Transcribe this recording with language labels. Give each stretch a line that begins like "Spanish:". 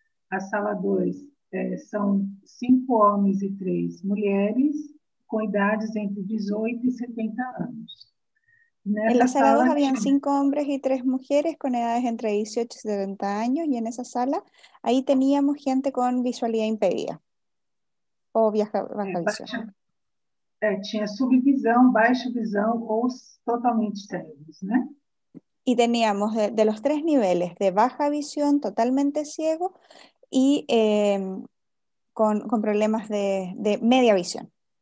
Spanish: La sala 2 son cinco hombres y tres mujeres con edades entre 18 y 70 años. En la sala 2 habían cinco hombres y tres mujeres con edades entre 18 y 70 años, y en esa sala ahí teníamos gente con visualidad impedida o baja visión.
Portuguese: Tinha subvisão, baixa visão ou totalmente cegos, né?
Spanish: Y teníamos de los tres niveles, de baja visión, totalmente ciego, y con problemas de media visión.